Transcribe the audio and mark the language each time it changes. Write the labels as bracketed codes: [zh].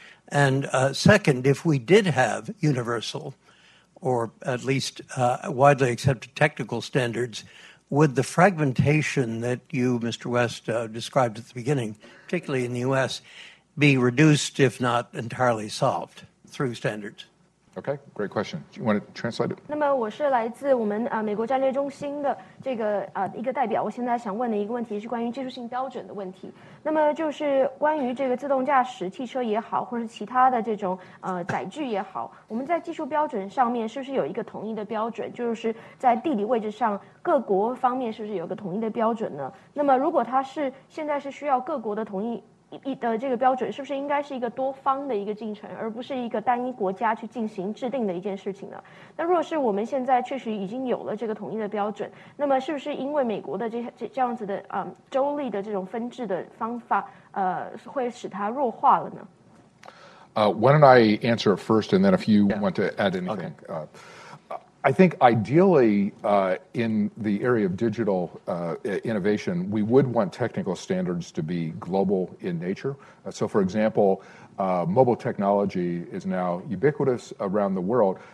[en] And second, if we did have universal, or at least widely accepted technical standards, would the fragmentation that you, Mr. West, described at the beginning, particularly in the U.S., be reduced, if not entirely solved, through standards? Okay, great question. Do you want to translate it? [zh] 那么我是来自我们美国战略中心的这个一个代表，我现在想问的一个问题是关于技术性标准的问题。那么就是关于这个自动驾驶汽车也好，或是其他的这种载具也好，我们在技术标准上面是不是有一个统一的标准？就是在地理位置上，各国方面是不是有一个统一的标准呢？那么如果它是现在是需要各国的统一的这个标准，是不是应该是一个多方的一个进程，而不是一个单一国家去进行制定的一件事情呢？那若是我们现在确实已经有了这个统一的标准，那么是不是因为美国的这样子的州立的这种分制的方法会使它弱化了呢？ [en] Why don't I answer first, and then if you want to add anything. I think ideally in the area of digital innovation, we would want technical standards to be global in nature. So for example, mobile technology is now ubiquitous around the world.